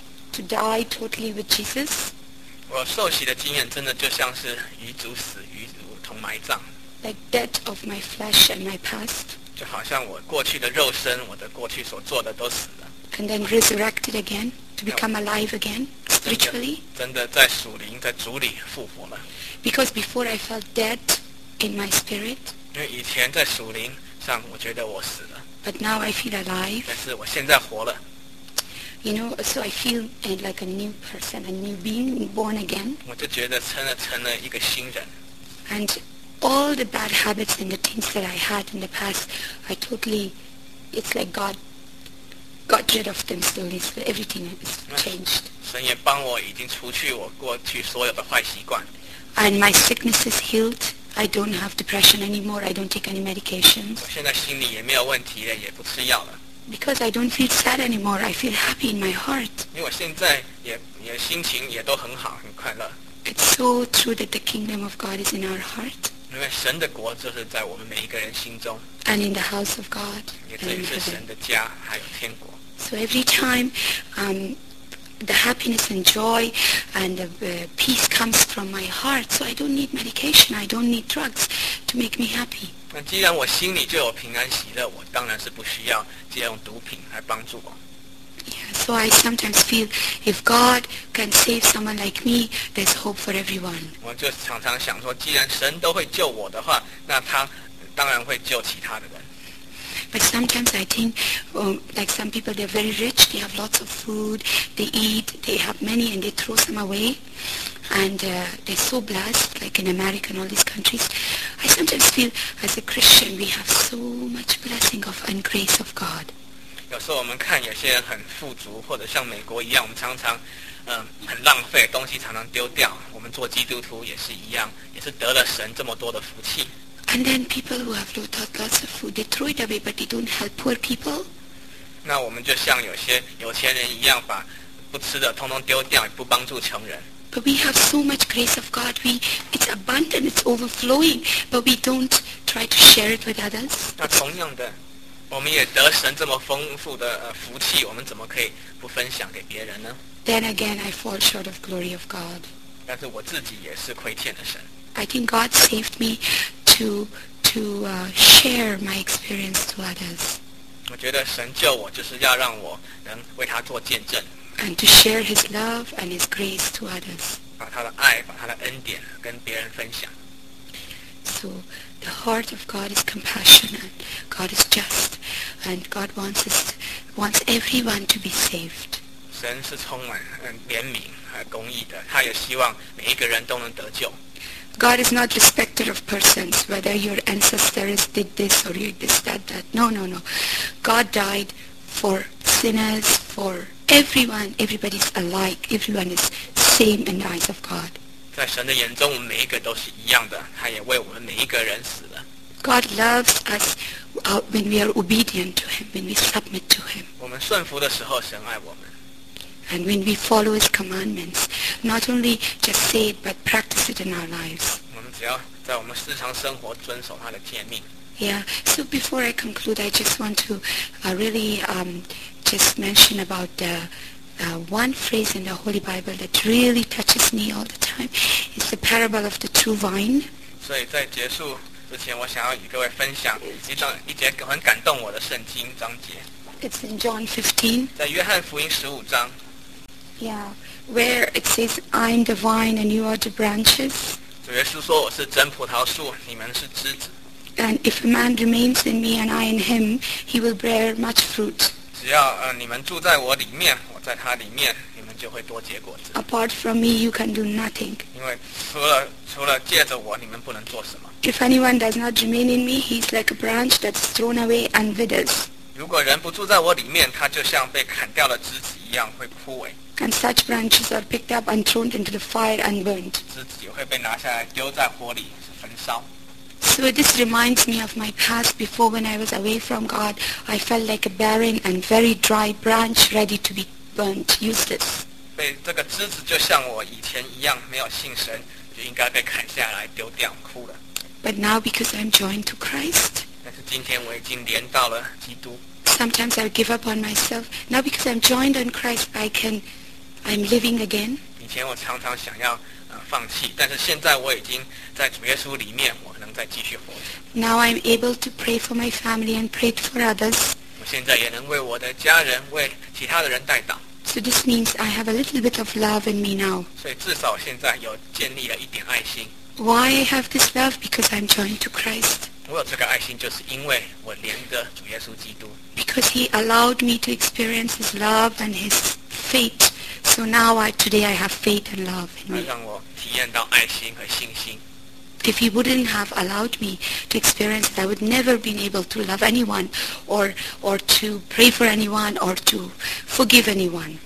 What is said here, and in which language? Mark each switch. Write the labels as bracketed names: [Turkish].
[English] To die totally with Jesus. [Chinese] 我受洗的经验真的就像是与主死，与主同埋葬。 [English] Like death of my flesh and my past. [Chinese] 就好像我过去的肉身，我的过去所做的都死了。 [English] And then resurrected again to become alive again. spiritually. [Chinese] 真的在属灵的主里复活了。 [English] Because before I felt dead in my spirit. [Chinese] 因为以前在属灵上我觉得我死了。 [English] But now I feel alive. [Chinese] 但是我现在活了。 [English] You know, so I feel like a new person, a new being born again. [Chinese] 我就觉得成了一个新人。 [English] And all the bad habits and the things that I had in the past, I totally, it's like God. Got rid of them slowly, so everything has changed. [Chinese] 神也帮我已经除去我过去所有的坏习惯。 [English] And my sickness is healed. I don't have depression anymore. I don't take any medications. [Chinese] 我现在心里也没有问题了，也不吃药了。 [English] Because I don't feel sad anymore. I feel happy in my heart. [Chinese] 因为我现在也心情也都很好，很快乐。 [English] It's so true that the kingdom of God is in our heart. [Chinese] 因为神的国就是在我们每一个人心中。 [English] And in the house of God. [Chinese] 也这也是神的家，还有天国。 [English] So every time, the happiness and joy and the peace comes from my heart. So I don't need medication. I don't need drugs to make me happy. [Chinese] 那既然我心里就有平安喜乐，我当然是不需要借用毒品来帮助我。 [English] Yeah, so I sometimes feel if God can save someone like me, there's hope for everyone. [Chinese] 我就常常想说，既然神都会救我的话，那他当然会救其他的人。 [English] But sometimes I think, like some people, they're very rich, they have lots of food, they eat, they have many, and they throw some away. And they're so blessed, like in America and all these countries. I sometimes feel, as a Christian, we have so much blessing of and grace of God. [Chinese] 有时候我们看有些人很富足，或者像美国一样，我们常常很浪费，东西常常丢掉。我们做基督徒也是一样，也是得了神这么多的福气。 [English] And then people who have lots of food, they throw it away, but they don't help poor people. [Chinese] 那我们就像有些有钱人一样，把不吃的通通丢掉，也不帮助穷人。 [English] But we have so much grace of God. It's abundant, it's overflowing, but we don't try to share it with others. [Chinese] 那同样的，我们也得神这么丰富的福气，我们怎么可以不分享给别人呢？ [English] Then again, I fall short of glory of God. [Chinese] 但是我自己也是亏欠了神。 [English] I think God saved me. To share my experience to others. [Chinese] 我觉得神救我就是要让我能为他做见证。 [English] And to share His love and His grace to others. [Chinese] 把他的爱，把他的恩典跟别人分享。 [English] So the heart of God is compassionate. God is just, and God wants everyone to be saved. [Chinese] 神是充满怜悯和公义的，他也希望每一个人都能得救。 [English] God is not respecter of persons, whether your ancestors did this or you did that. No, no, no. God died for sinners, for everyone. Everybody's alike. Everyone is same in the eyes of God. [Chinese] 在神的眼中，我们每一个都是一样的。他也为我们每一个人死了。 [English] God loves us when we are obedient to Him, when we submit to Him. [Chinese] 我们顺服的时候，神爱我们。 [English] And when we follow His commandments, not only just say it, but practice it in our lives. [Chinese] 我们只要在我们日常生活遵守他的诫命。 [English] Yeah. So before I conclude, I just want to just mention about one phrase in the Holy Bible that really touches me all the time. It's the parable of the true vine. [Chinese] 所以在结束之前，我想要与各位分享一节很感动我的圣经章节。 [English] It's in John 15. [Chinese] 在约翰福音十五章。 [English] Yeah, where it says, I'm the vine and you are the branches. [Chinese] 主耶稣说我是真葡萄树，你们是枝子。 [English] And if a man remains in me and I in him, he will bear much fruit. [Chinese] 只要你们住在我里面，我在他里面，你们就会多结果子。 [English] Apart from me, you can do nothing. [Chinese] 因为除了借着我，你们不能做什么。 [English] If anyone does not remain in me, he's like a branch that's thrown away and withers. [Chinese] 如果人不住在我里面，他就像被砍掉的枝子一样，会枯萎。 [English] And such branches are picked up and thrown into the fire and burned. [Chinese] 枝子也会被拿下来丢在火里，是焚烧。 [English] So this reminds me of my past before when I was away from God. I felt like a barren and very dry branch ready to be burnt, useless. [Chinese] 被这个枝子就像我以前一样，没有信神，就应该被砍下来丢掉，枯了。 [English] But now because I'm joined to Christ. [Chinese] 但是今天我已经连到了基督。 [English] Sometimes I give up on myself. Now because I'm joined on Christ, I'm living again. [Chinese] 以前我常常想要放弃，但是现在我已经在主耶稣里面，我能再继续活着。 [English] Now I'm able to pray for my family and pray for others. [Chinese] 我现在也能为我的家人，为其他的人代祷。 [English] So So this means I have a little bit of love in me now. [Chinese] 所以至少现在有建立了一点爱心。 [English] Why I have this love? Because I'm joined to Christ. [Chinese] 我有这个爱心就是因为我连的主耶稣基督。 [English] Because he allowed me to experience his love and his faith. So now today I have faith and love in me. [Chinese] 让我体验到爱心和信心。 [English] If he wouldn't have allowed me to experience it, I would never been able to love anyone or to pray for anyone or to forgive anyone.